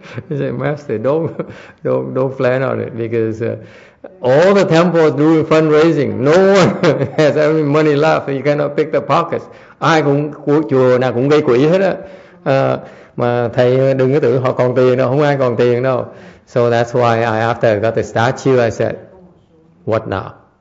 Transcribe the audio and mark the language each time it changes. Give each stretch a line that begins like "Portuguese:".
English: Say, master, don't plan on it because all the temples do fundraising, no one has any money left, you cannot pick the pockets.
Vietnamese: Ai cũng chùa nào cũng gây quỹ hết á, mà thầy đừng có tưởng họ còn tiền đâu, không ai còn tiền đâu.
English: So that's why I after got the statue, I said, what now?